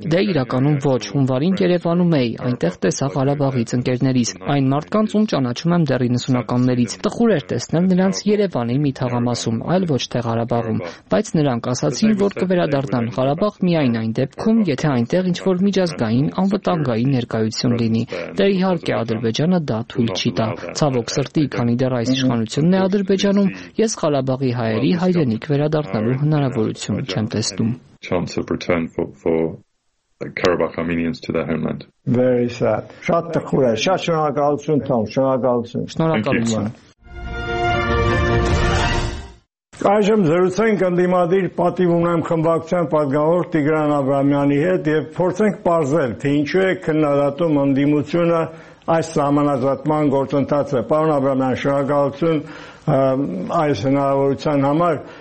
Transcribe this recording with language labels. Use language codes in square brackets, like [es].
[hy] Դե իրականում ոչ, հունվարին Երևանում էի, այնտեղ տեսա Ղարաբաղից ընկերներիս, այն մարդկանց, ում ճանաչում եմ դեռ 90-ականներից, տխուր էր տեսնել նրանց Երևանի մի թաղամասում, այլ ոչ թե Ղարաբաղում, բայց նրանք ասացին, որ կվերադառնան Ղարաբաղ միայն այն դեպքում, եթե այնտեղ ինչ-որ միջազգային անվտանգային ներկայություն լինի։ Դե իհարկե Ադրբեջանը դա թույլ չի տա, ցավոք սրտի, քանի դեռ այս իշխանությունն է Ադրբեջանում, ես Ղարաբաղի հայերի հայրենիք վերադառնալու հնարավորություն չեմ տեսնում։ [en] Chance of return for Karabakh Armenians to their homeland. Very sad. [hy] Շատ տխուր է, շատ շնորհակալություն, Թոմ, շնորհակալություն։ Շնորհակալում եմ։ Այժմ զրուցենք ընդդիմադիր պատիվ ունեմ խմբակցության պատգամավոր Տիգրան Աբրամյանի հետ և փորձենք պարզել, թե ինչու է քննադատում ընդդիմությունը այս համանախատման գործընթացը։ Պարոն Աբրամյան, շնորհակալություն այս հնարավորության համար։